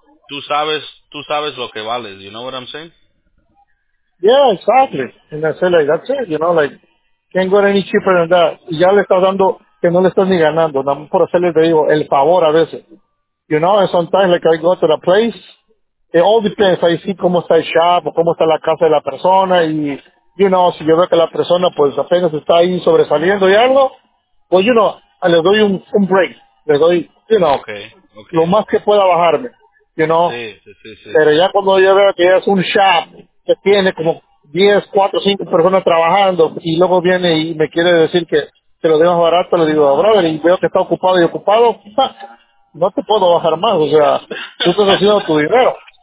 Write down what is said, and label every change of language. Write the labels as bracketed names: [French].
[Spanish] Tú sabes lo que vales, [English] you know what I'm saying? Yeah, exactly. And I said, like, that's it, can't go any cheaper than that. [Spanish] Y ya le estás dando, que no le estás ni ganando, nada por hacerle, te digo, el favor a veces. [English] And sometimes, I go to the place, it all depends. I see [Spanish] cómo está el shop, o cómo está la casa de la persona, y, si yo veo que la persona, pues, apenas está ahí sobresaliendo y algo, pues, le doy un break. Le doy, [English] okay. [Spanish] Lo más que pueda bajarme, Sí. Pero ya cuando yo veo que es un shop, que tiene como 10, 4, 5 personas trabajando, y luego viene y me quiere decir que te lo dejo barato, le digo, brother, y veo que está ocupado y ocupado, no te puedo bajar más, tú estás haciendo tu dinero.